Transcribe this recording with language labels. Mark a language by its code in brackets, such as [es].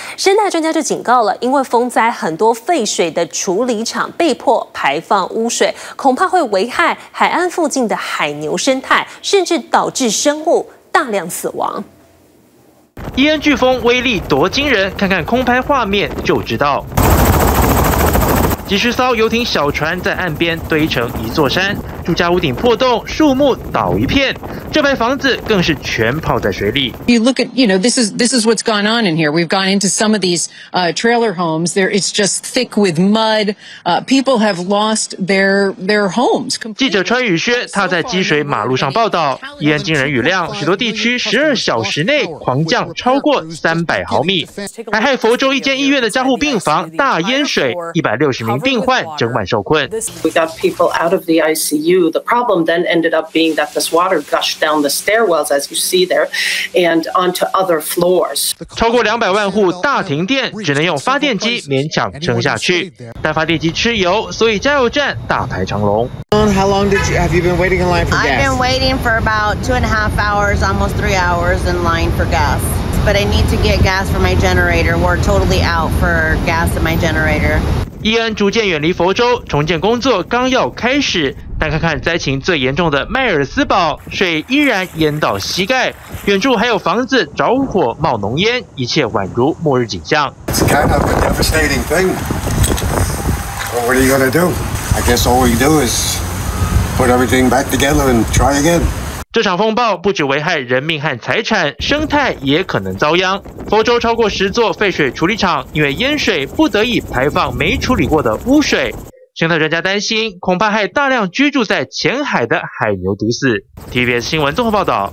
[zh] 生态专家就警告了，因为风灾，很多废水的处理厂被迫排放污水，恐怕会危害海岸附近的海牛生态，甚至导致生物大量死亡。伊恩飓风威力多惊人，看看空拍画面就知道。几十艘游艇、小船在岸边堆成一座山，住家屋顶破洞，树木倒一片，这排房子更是全泡在水里。 [en] You look at, you know, this is what's gone on in here. We've gone into some of these trailer homes. There, it's just thick with mud. People have lost their homes. [zh] 记者川宇轩踏在积水马路上报道，伊恩惊人雨量，许多地区12小时内狂降超过300毫米，还害佛州一间医院的加护病房大淹水，160名病患整晚受困。 [en] We got people out of the ICU. The problem then ended up being that this water gushed down the stairwells, as you see there, and onto other floors. [zh] 超过200万户大停电，只能用发电机勉强撑下去。但发电机吃油，所以加油站大排长龙。 [en] How long did you have you been waiting in line for gas? I've been waiting for about 2.5 hours, almost 3 hours in line for gas. But I need to get gas for my generator. We're totally out for gas in my generator. [zh] 伊恩逐渐远离佛州，重建工作刚要开始，但看看灾情最严重的迈尔斯堡，水依然淹到膝盖，远处还有房子着火冒浓烟，一切宛如末日景象。 [en] It's kind of a devastating thing. What are you going to do? I guess all we do is put everything back together and try again. [zh] 这场风暴不止危害人命和财产，生态也可能遭殃。佛州超过10座废水处理厂因为淹水不得已排放没处理过的污水，生态专家担心恐怕害大量居住在浅海的海牛毒死。 TVBS 新闻综合报道。